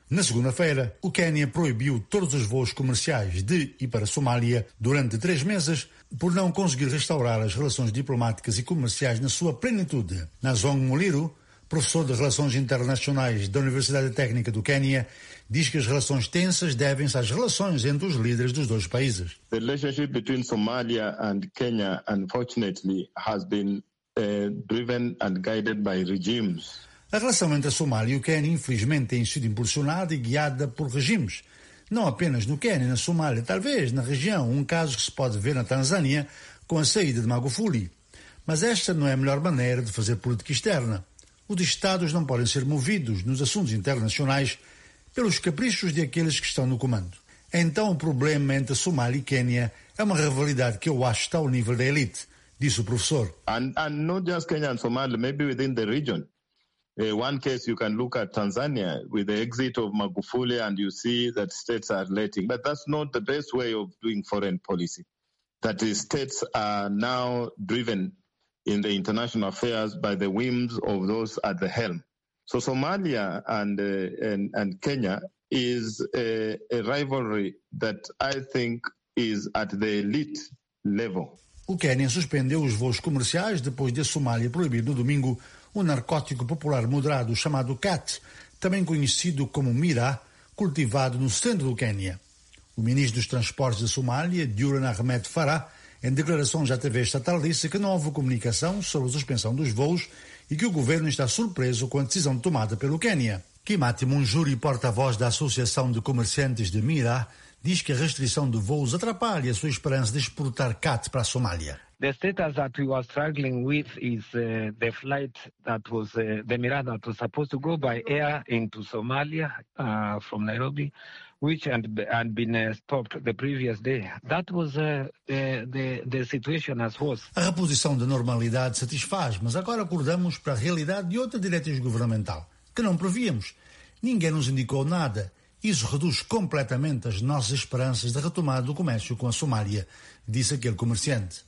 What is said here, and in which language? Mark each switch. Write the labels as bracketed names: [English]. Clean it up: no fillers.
[Portuguese] Na segunda-feira, o Quênia proibiu todos os voos comerciais de e para a Somália durante 3 meses por não conseguir restaurar as relações diplomáticas e comerciais na sua plenitude. Nazong Muliro, professor de Relações Internacionais da Universidade Técnica do Quênia, diz que as relações tensas devem-se às relações entre os líderes dos dois países. A relação entre Somália e Quênia, [English] unfortunately, has been driven and guided by regimes. [Portuguese] A relação entre a Somália e o Quênia, infelizmente, tem sido impulsionada e guiada por regimes. Não apenas no Quênia, na Somália, talvez na região, um caso que se pode ver na Tanzânia, com a saída de Magufuli. Mas esta não é a melhor maneira de fazer política externa. Os Estados não podem ser movidos nos assuntos internacionais pelos caprichos de aqueles que estão no comando. Então o problema entre a Somália e Quênia é uma rivalidade que eu acho que está ao nível da elite, disse o professor. [English] And not just Kenya and Somalia, maybe within the region. One case you can look at Tanzania with the exit of Magufuli and you see that states are letting. But that's not the best way of doing foreign policy. That is, states are now driven in the international affairs by the whims of those at the helm. So Somalia and Kenya is a rivalry that I think is at the elite level. [Portuguese] O Quênia suspendeu os voos comerciais depois de a Somália proibir no domingo um narcótico popular moderado chamado CAT, também conhecido como Mira, cultivado no centro do Quênia. O ministro dos Transportes da Somália, Duran Ahmed Farah, em declarações à TV estatal, disse que não houve comunicação sobre a suspensão dos voos e que o governo está surpreso com a decisão tomada pelo Quênia. Kimati Munjuri, porta-voz da Associação de Comerciantes de Mira, diz que a restrição de voos atrapalha a sua esperança de exportar CAT para a Somália. [English] The status that we are struggling with is the flight that was the Mira that was supposed to go by air into Somalia from Nairobi, which had been stopped the previous day. That was the situation as was. [Portuguese] A reposição da normalidade satisfaz, mas agora acordamos para a realidade de outra diretriz governamental que não prevíamos. Ninguém nos indicou nada. Isso reduz completamente as nossas esperanças de retomada do comércio com a Somália, disse aquele comerciante.